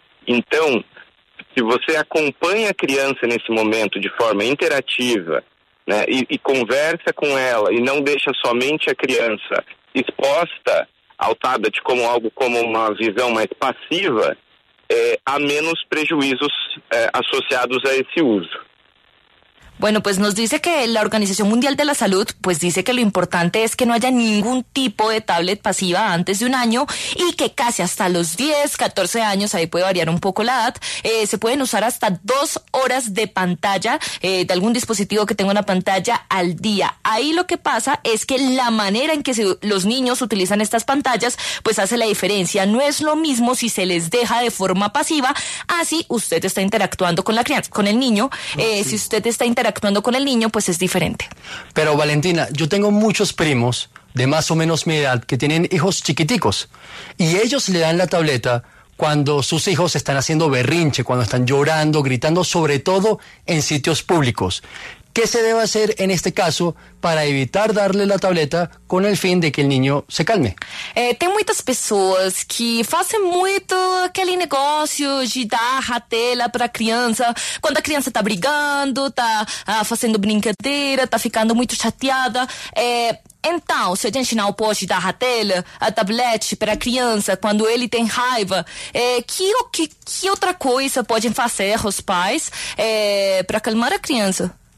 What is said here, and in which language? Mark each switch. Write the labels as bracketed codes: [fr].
[pt] Então, se você acompanha a criança nesse momento de forma interativa, né, e conversa com ela e não deixa somente a criança exposta ao tablet como algo, como uma visão mais passiva, há menos prejuízos associados a esse uso. [es] Bueno, pues nos dice que la Organización Mundial de la Salud, pues dice que lo importante es que no haya ningún tipo de tablet pasiva antes de un año y que casi hasta los 10, 14 años, ahí puede variar un poco la edad, se pueden usar hasta 2 horas de pantalla, de algún dispositivo que tenga una pantalla al día. Ahí lo que pasa es que la manera en que los niños utilizan estas pantallas, pues hace la diferencia. No es lo mismo si se les deja de forma pasiva, así usted está interactuando con la crianza, con el niño, sí. Si usted está interactuando con el niño, pues es diferente. Pero Valentina, yo tengo muchos primos de más o menos mi edad que tienen hijos chiquiticos y ellos le dan la tableta cuando sus hijos están haciendo berrinche, cuando están llorando, gritando, sobre todo en sitios públicos. ¿Qué se debe hacer en este caso para evitar darle la tableta con el fin de que el niño se calme? [pt] Tem muitas pessoas que fazem muito aquele negócio de dar a tela para a criança quando a criança está brigando, está fazendo brincadeira, está ficando muito chateada. Então, se a gente não pode dar a tela, a tablet para a criança quando ele tem raiva, que outra coisa podem fazer os pais para acalmar a criança?